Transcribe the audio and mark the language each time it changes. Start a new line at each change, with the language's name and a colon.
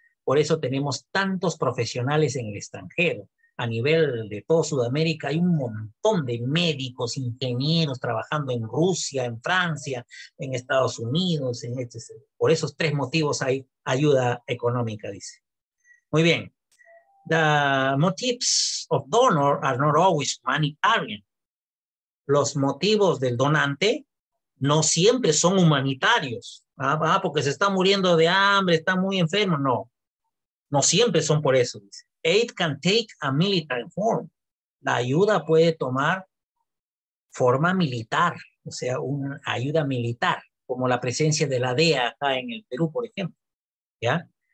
Spanish: Por eso tenemos tantos profesionales en el extranjero. A nivel de todo Sudamérica hay un montón de médicos, ingenieros trabajando en Rusia, en Francia, en Estados Unidos, etcétera. Por esos tres motivos hay ayuda económica, dice. Muy bien.
English: The motives of donor are not always humanitarian.
Spanish: Los motivos del donante no siempre son humanitarios. Ah, porque se está muriendo de hambre, está muy enfermo. No, no siempre son por eso.
English: Aid can take a military form.
Spanish: La ayuda puede tomar forma militar, o sea, una ayuda militar, como la presencia de la DEA acá en el Perú, por ejemplo. ¿Ya?